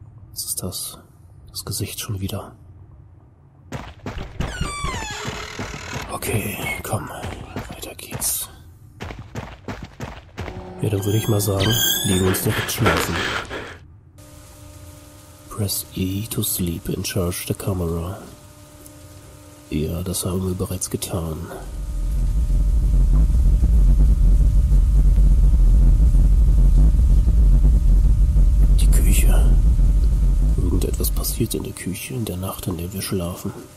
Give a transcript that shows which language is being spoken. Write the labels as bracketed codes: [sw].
[de] Was ist das? Das Gesicht schon wieder. Okay, komm. Weiter geht's. Ja, dann würde ich mal sagen, legen wir uns direkt schlafen. [en] Press E to sleep and charge the camera. [de] Ja, das haben wir bereits getan. Die Küche. Irgendetwas passiert in der Küche in der Nacht, in der wir schlafen.